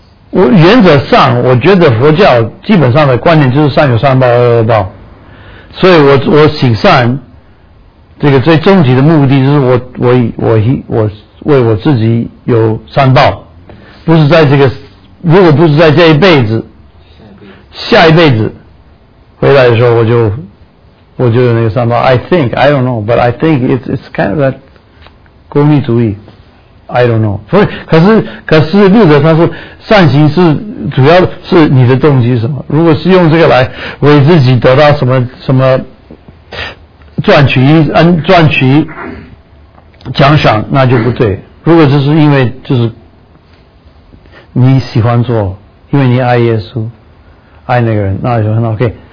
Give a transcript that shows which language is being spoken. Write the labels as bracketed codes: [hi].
[zh] 我原则上，我觉得佛教基本上的观念就是善有善报，恶有恶报，所以我行善，这个最终极的目的就是我为我自己有善报，不是在这个，如果不是在这一辈子，下一辈子回来的时候我就有那个善报。 [en] I think I don't know, but I think it's kind of that [zh] 功利主义。 [en] I don't know。 [zh] 所以可是路德他说善行是主要是你的动机是什么，如果是用这个来为自己得到什么什么赚取奖赏，那就不对。如果这是因为就是你喜欢做，因为你爱耶稣爱那个人，那就很 OK。